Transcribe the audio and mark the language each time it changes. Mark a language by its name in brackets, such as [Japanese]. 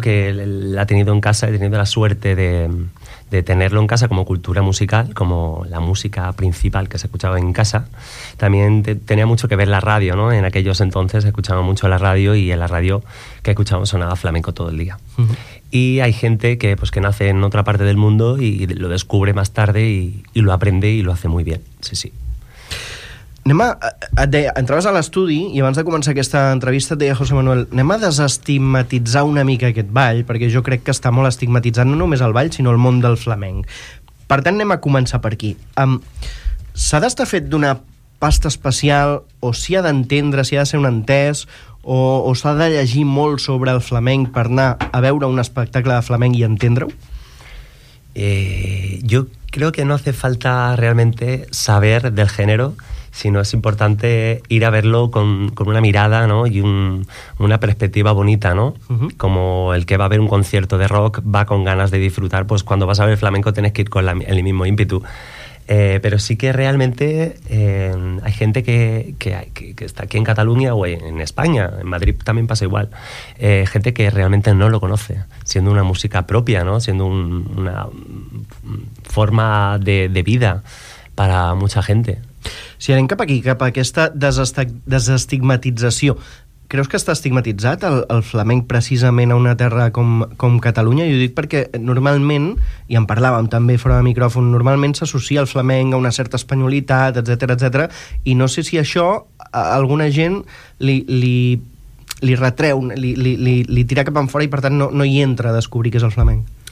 [Spanish] Que la ha tenido en casa, he tenido la suerte de tenerlo en casa como cultura musical, como la música principal que se escuchaba en casa. También tenía mucho que ver la radio, ¿no? En aquellos entonces escuchaba mucho la radio y en la radio que escuchábamos sonaba flamenco todo el día. Uh-huh. Y hay gente que nace en otra parte del mundo y lo descubre más tarde y lo aprende y lo hace muy bien. Sí, sí. [Catalan] Entraves a l'estudi i abans de començar aquesta entrevista et deia, José Manuel, anem a desestigmatitzar una mica aquest ball, perquè jo crec que està molt estigmatitzant no només el ball, sinó el món del flamenc. Per tant, anem a començar per aquí. S'ha d'estar fet d'una pasta especial, o s'hi ha d'entendre, s'hi ha de ser un entès, o s'ha de llegir molt sobre el flamenc per anar a veure un espectacle de flamenc i entendre-ho? [Spanish] Yo creo que no hace falta realmente saber del género, sino es importante ir a verlo con una mirada, ¿no? Y una perspectiva bonita, ¿no? Uh-huh. Como el que va a ver un concierto de rock va con ganas de disfrutar, pues cuando vas a ver flamenco tienes que ir con el mismo ímpetu. Pero sí que realmente hay gente que está aquí en Cataluña o en España, en Madrid también pasa igual, gente que realmente no lo conoce, siendo una música propia, ¿no? Siendo una forma de vida para mucha gente. [Catalan] Si anem cap aquí, cap a aquesta desestigmatització, creus que està estigmatitzat el flamenc precisament a una terra com Catalunya? Jo dic perquè normalment, i en parlàvem també fora de micròfon, normalment s'associa el flamenc a una certa espanyolitat, etcètera, etcètera, i no sé si això a alguna gent li retreu, li tira cap enfora i per tant no hi entra a descobrir què és el flamenc.